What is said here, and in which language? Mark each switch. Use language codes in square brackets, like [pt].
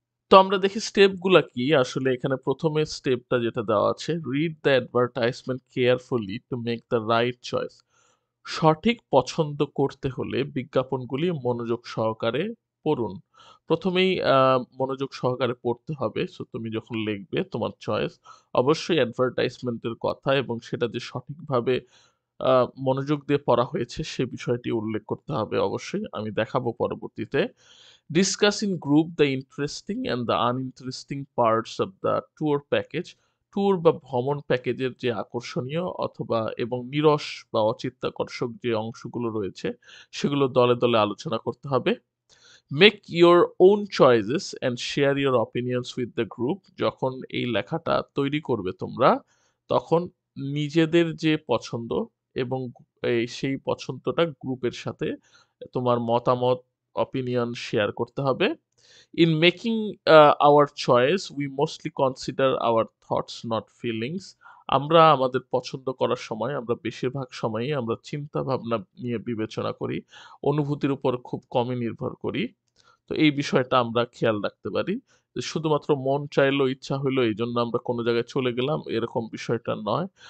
[bn] তো আমরা দেখি স্টেপগুলো কি। আসলে এখানে প্রথমে স্টেপটা যেটা দেওয়া আছে, [en] read the advertisement carefully to make the right choice, [bn] সঠিক পছন্দ করতে হলে বিজ্ঞাপনগুলি মনোযোগ সহকারে পড়ুন। প্রথমেই মনোযোগ সহকারে পড়তে হবে। সো তুমি যখন লিখবে তোমার চয়েস অবশ্যই অ্যাডভার্টাইজমেন্টের কথা এবং সেটা যে সঠিকভাবে মনোযোগ দিয়ে পড়া হয়েছে সে বিষয়টি উল্লেখ করতে হবে অবশ্যই, আমি দেখাবো পরবর্তীতে। [en] Discuss in group the interesting and the uninteresting parts of the tour package. [bn] Tour বা ভ্রমণ প্যাকেজের যে আকর্ষণীয় অথবা এবং নিরস বা অচিত্তাকর্ষক যে অংশগুলো রয়েছে সেগুলো দলে দলে আলোচনা করতে হবে। [en] make your own choices and share your opinions with the group, [bn] যখন এই লেখাটা তৈরি করবে তোমরা তখন নিজেদের যে পছন্দ এবং সেই পছন্দটা গ্রুপের সাথে তোমার মতামত opinion share করতে হবে। [en] In making our choice, we mostly consider our thoughts, not feelings. [bn] আমরা আমাদের পছন্দ করার সময় আমরা বেশিরভাগ সময়ই আমরা চিন্তা ভাবনা নিয়ে বিবেচনা করি, অনুভূতির উপর খুব কমই নির্ভর করি। তো এই বিষয়টা আমরা খেয়াল রাখতে পারি যে শুধুমাত্র মন চাইলো ইচ্ছা হইলো এই জন্য আমরা কোনো জায়গায় চলে গেলাম, এরকম বিষয়টা নয়।